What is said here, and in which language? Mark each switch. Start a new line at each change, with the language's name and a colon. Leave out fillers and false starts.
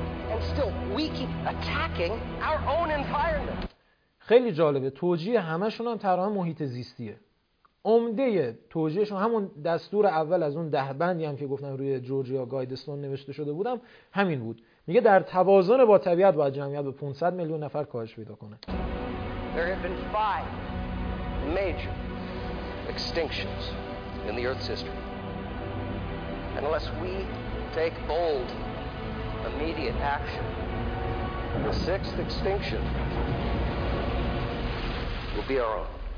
English: And still we keep attacking our own environment.
Persian: خیلی جالبه، توجیه همشون هم طرح محیط زیستیه. عمده توجیهشون همون دستور اول از اون ده بندی هم که گفتم روی جورجیا گایدستون نوشته شده بودم همین بود. میگه در توازن با طبیعت باید جمعیت به 500 میلیون نفر کاهش پیدا کنه.
English: There have been five major extinctions in the Earth's history. And unless we take bold, immediate action, the sixth extinction will be our own.